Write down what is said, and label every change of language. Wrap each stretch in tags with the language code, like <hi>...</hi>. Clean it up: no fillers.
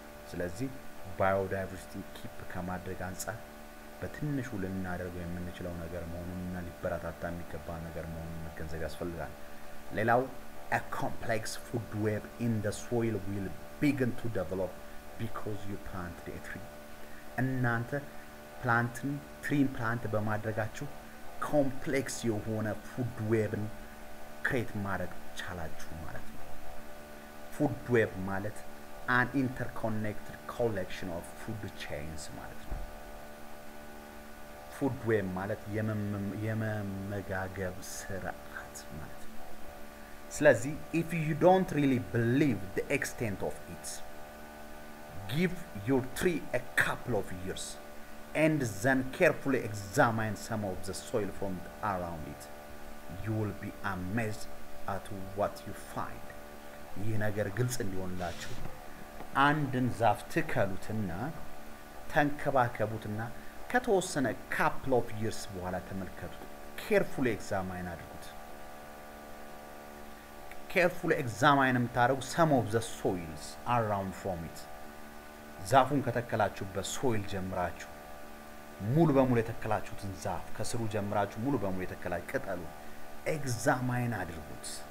<am>ስለዚህ ባዮዳይቨርሲቲ ኪፕ ከማድረግ አንጻር በትንሹ ለምናደርገው የምንችለው ነገር መሆኑንና ሊበረታታ የሚገባ ነገር መሆኑን መገንዘብ ያስፈልጋል። ሌላው</am> <en>a complex food web in the soil will begin to develop because you plant the tree.</en> <am>እናንተ ፕላንትን ትሪን ፕላንት በማድረጋችሁ complex የሆነ food webን ክሬት ማድረግ ቻላችሁ ማለት ነው። food web ማለት</am> <en>an interconnected collection of food chains</en> <am>ማለት ነው። ፉድ ዌብ ማለት የመመጋገብ ስርዓት ማለት ነው። ስለዚህ</am> <en>if you don't really believe the extent of it give your tree a couple of years and then carefully examine some of the soil from around it you will be amazed at what you find.</en> <am>ይህ ነገር ግልጽ እንዲሆንላችሁ አንድን ዛፍ ትከሉትና ተንከባከቡትና ከተወሰነ</am> <en>couple of years</en> <am>በኋላ ተመልከቱት።</am> <en>carefully examine</en> <am>አድርጉት። carefully examine ምታረጉ</am> <en>some of the soils around from it</en> <am>ዛፉን ከተከላችሁበት soil ጀምራችሁ ሙሉ በሙሉ የተከላችሁትን ዛፍ ከስሩ ጀምራችሁ ሙሉ በሙሉ የተከላችሁ ቅጠሉ examine አድርጉት።</am>